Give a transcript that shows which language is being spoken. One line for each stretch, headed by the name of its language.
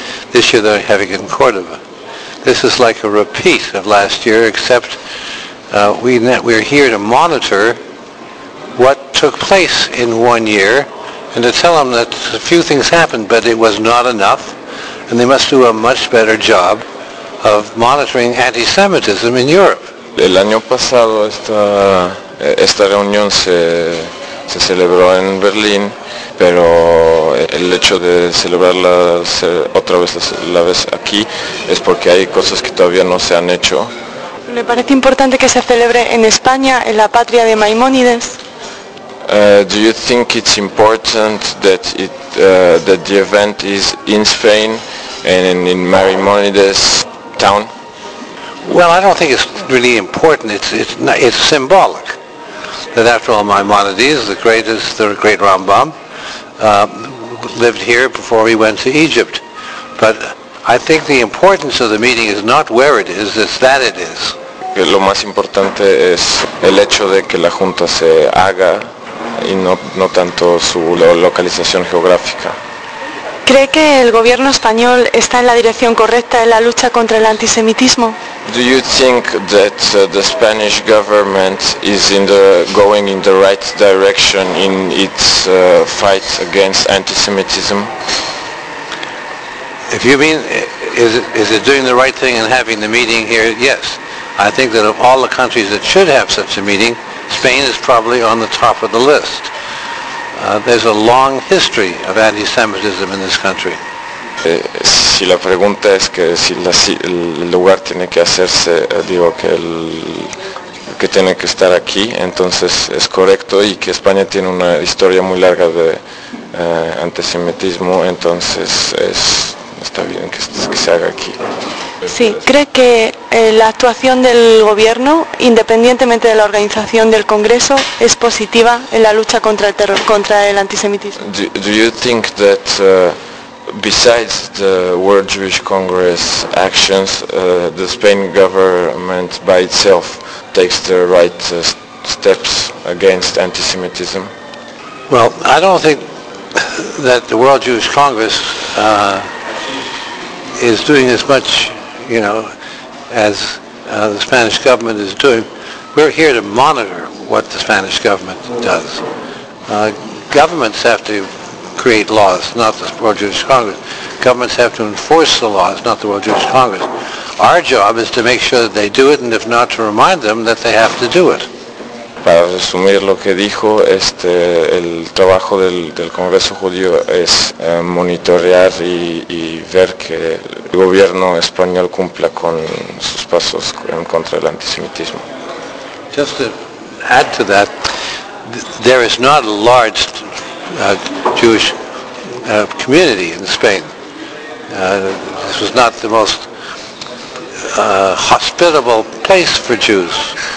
English: This year they're having it in Córdoba. This is like a repeat of last year, except we're here to monitor what took place in 1 year and to tell them that a few things happened, but it was not enough, and they must do a much better job of monitoring anti-Semitism in Europe.
Spanish: El año pasado esta reunión se celebró en Berlín, pero el hecho de celebrarla otra vez la vez aquí es porque hay cosas que todavía no se han hecho. ¿Le parece importante que se celebre en España, en la patria de Maimónides?
English: Do you think it's important that that the event is in Spain and in Maimónides' town? Well, I don't think it's really important. It's symbolic. That after all, Maimonides, the great Rambam, lived here before he went to Egypt. But I think the importance of the meeting is not where it is; it's that it is.
Spanish: Lo más importante es el hecho de que la junta se haga y no tanto su localización geográfica. ¿Cree que el gobierno español está en la dirección correcta en la lucha contra el antisemitismo?
English: Do you think that the Spanish government is going in the right direction in its fight against antisemitism? If you mean is it doing the right thing and having the meeting here? Yes. I think that of all the countries that should have such a meeting, Spain is probably on the top of the list. There's a long history of anti-Semitism in this country.
Spanish: Si la pregunta es que si el lugar tiene que hacerse, digo que tiene que estar aquí, entonces es correcto, y que España tiene una historia muy larga de antisemitismo, entonces está bien que se haga aquí. Sí, ¿cree que la actuación del gobierno, independientemente de la organización del Congreso, es positiva en la lucha contra el terror, contra el antisemitismo?
English: Do you think that besides the World Jewish Congress actions, the Spain government by itself takes the right steps against antisemitism? Well, I don't think that the World Jewish Congress is doing as much, you know, as the Spanish government is doing. We're here to monitor what the Spanish government does. Governments have to create laws, not the World Jewish Congress. Governments have to enforce the laws, not the World Jewish Congress. Our job is to make sure that they do it, and if not, to remind them that they have to do it.
Spanish: Para resumir lo que dijo, el trabajo del Congreso Judío es monitorear y ver que el gobierno español cumpla con sus pasos en contra del antisemitismo.
English: Just to add to that, there is not a large Jewish community in Spain. This was not the most hospitable place for Jews.